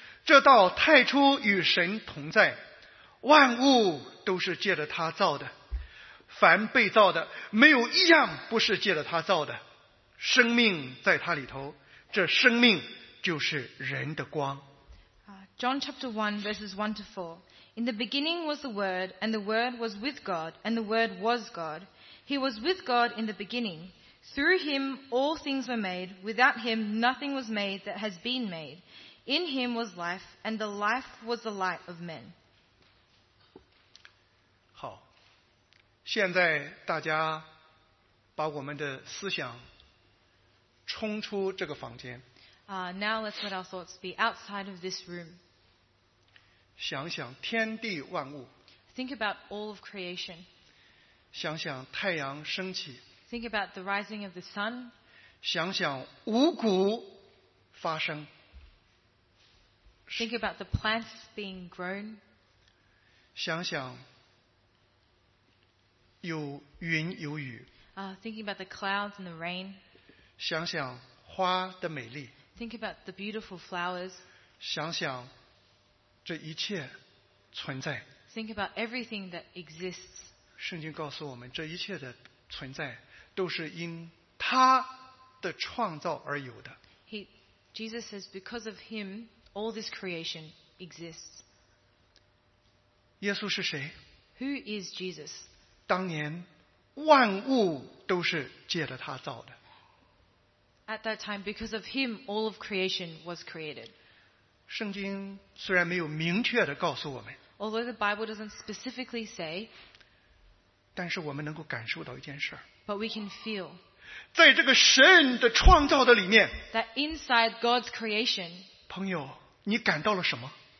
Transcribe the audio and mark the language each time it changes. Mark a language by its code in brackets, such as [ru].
[zh] 这道太初与神同在，万物都是借着他造的。凡被造的没有一样不是借着他造的生命在他里头这生命就是人的光 [en] John chapter 1 verses 1-4 In the beginning was the word and the word was with God and the word was God He was with God in the beginning Through him all things were made Without him nothing was made that has been made In him was life and the life was the light of men [zh] 现在大家把我们的思想冲出这个房间。 [en] Now let's let our thoughts be outside of this room. [zh] 想想天地万物。 [en] Think about all of creation. [zh] 想想太阳升起。 [en] Think about the rising of the sun. [zh] 想想五谷发生。 [en] Think about the plants being grown. [zh] 想想有云有雨。 [en] Thinking about the clouds and the rain. [zh] 想想花的美丽。 [en] Think about the beautiful flowers. [zh] 想想这一切存在。 [en] Think about everything that exists. [zh] 圣经告诉我们，这一切的存在都是因他的创造而有的。 [en] Jesus says, because of him, all this creation exists. [zh] 耶稣是谁？ [en] Who is Jesus? [zh] 当年万物都是借着他造的。 [en] At that time, because of him, all of creation was created. [zh] 圣经虽然没有明确地告诉我们， [en] although the Bible doesn't specifically say, [zh] 但是我们能够感受到一件事， [en] but we can feel, [zh] 在这个神的创造的里面， [en] that inside God's creation, [zh] 朋友，你感到了什么？